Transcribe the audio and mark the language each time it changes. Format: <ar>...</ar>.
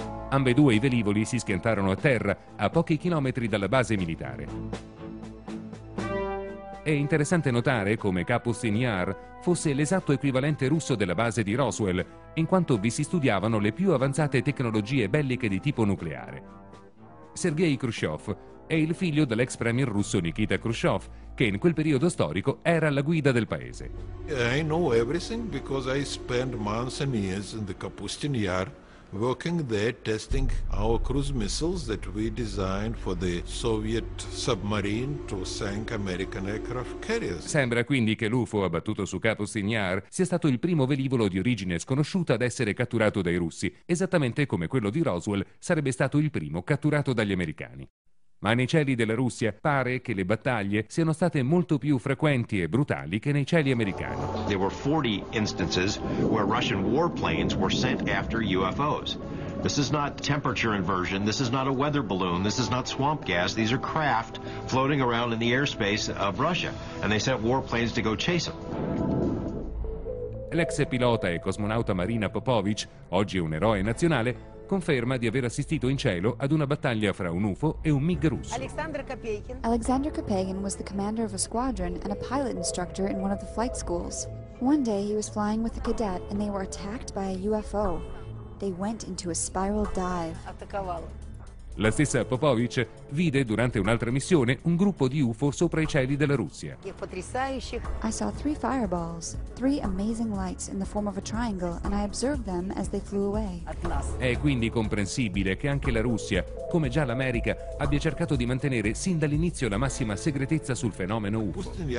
<it>Ambedue i velivoli si schiantarono a terra a pochi chilometri dalla base militare. È interessante notare come Kapustin Yar fosse l'esatto equivalente russo della base di Roswell, in quanto vi si studiavano le più avanzate tecnologie belliche di tipo nucleare. Sergei Khrushchev è il figlio dell'ex premier russo Nikita Khrushchev, che in quel periodo storico era alla guida del paese.</it> <en>I know everything because I spent months and years in the Kapustin Yar working there testing our cruise missiles that we designed for the Soviet submarine to sink American aircraft carriers.</en> <it>Sembra quindi che l'UFO abbattuto su Kapustin Yar sia stato il primo velivolo di origine sconosciuta ad essere catturato dai russi, esattamente come quello di Roswell sarebbe stato il primo catturato dagli americani. Ma nei cieli della Russia pare che le battaglie siano state molto più frequenti e brutali che nei cieli americani.</it> <en>There were 40 instances where Russian warplanes were sent after UFOs. This is not temperature inversion, this is not a weather balloon, this is not swamp gas, these are craft floating around in the airspace of Russia, and they sent warplanes to go chase them.</en> <it>L'ex pilota e cosmonauta Marina Popovich, oggi un eroe nazionale, conferma di aver assistito in cielo ad una battaglia fra un UFO e un MiG russo.</it> <en>Alexander Kopeikin was the commander of a squadron and a pilot instructor in one of the flight schools. One day he was flying with a cadet and they were attacked by a UFO. They went into a spiral dive.</en> <it>La stessa Popovich vide durante un'altra missione un gruppo di UFO sopra i cieli della Russia.</it> <en>I saw three fireballs, three amazing lights in the form of a triangle, and I observed them as they flew away.</en> <it>È quindi comprensibile che anche la Russia, come già l'America, abbia cercato di mantenere sin dall'inizio la massima segretezza sul fenomeno UFO.</it>